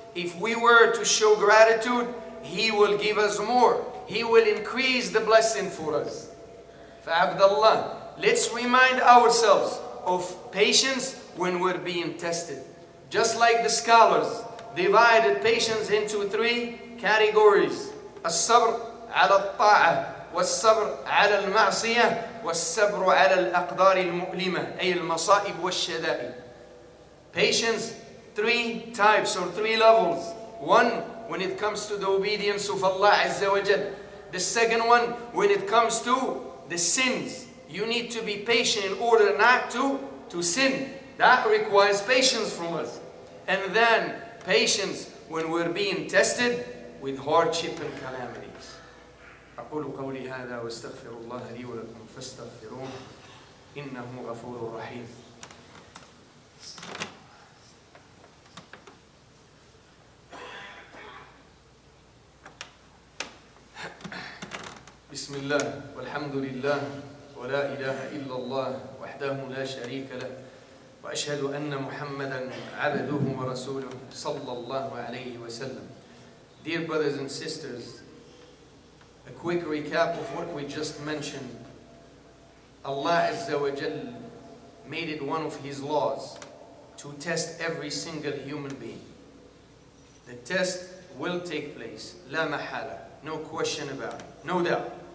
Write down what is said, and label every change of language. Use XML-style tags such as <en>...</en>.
<en>If we were to show gratitude, He will give us more. He will increase the blessing for us. فَعَبْدَاللَّهِ, let's remind ourselves of patience when we're being tested. Just like the scholars divided patience into three categories.</en> <ar>الصبر على الطاعة والصبر على المعصية والصبر على الأقدار المؤلمة أي المصائب والشدائد.</ar> <en>Patience, three types or three levels. One, when it comes to the obedience of Allah Azza wa Jal. The second one, when it comes to the sins. You need to be patient in order not to sin. That requires patience from us. And then patience when we're being tested with hardship and calamities.</en> <ar>أقول قولي هذا واستغفر الله لي ولكم فاستغفروه إنه غفور رحيم. بسم الله والحمد لله ولا إله إلا الله وحده لا شريك له وأشهد أن محمدا عبده ورسوله صلى الله عليه وسلم.</ar> <en>Dear brothers and sisters, A quick recap of what we just mentioned. Allah Azza wa Jal made it one of His laws to test every single human being. The test will take place,</en> <ar>la mahala,</ar> <en>no question about it, no doubt.</en>